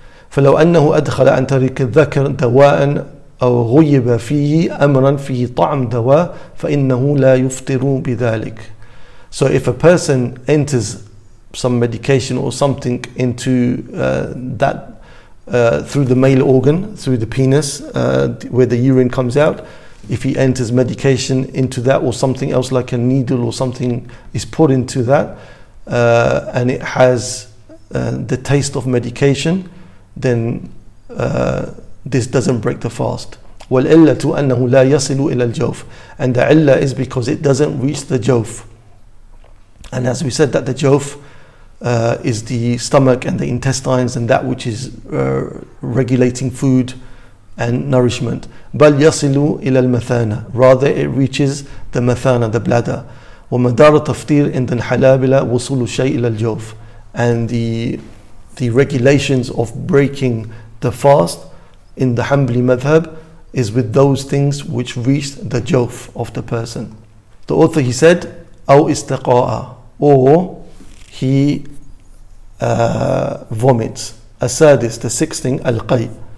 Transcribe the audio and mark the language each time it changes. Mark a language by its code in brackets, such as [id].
[ar] فلو أنه أدخل عن طريق الذكر دواء أو غيب فيه أمرا فيه طعم دواء فإنه لا يفطر بذلك. [en] So if a person enters some medication or something into that through the male organ, through the penis, where the urine comes out, if he enters medication into that or something else like a needle or something is put into that, and it has the taste of medication, then this doesn't break the fast. [ar] وَالْعِلَّةُ أَنَّهُ لَا يَصِلُ إِلَى الْجَوْفِ. [en] And the illah is because it doesn't reach the jawf. And as we said, that the jawf is the stomach and the intestines and that which is regulating food and nourishment. [ar] بل يصل إلى المثانة. [en] Rather, it reaches the mathana, the bladder. [ar] ومدار تفطير عند الحلابلة وصول الشيء إلى الجوف. [en] And the regulations of breaking the fast in the Hanbali madhab is with those things which reach the jawf of the person. The author, he said, [ar] أو استقاء, [en] or he vomits. السادس, the sixth thing, القي.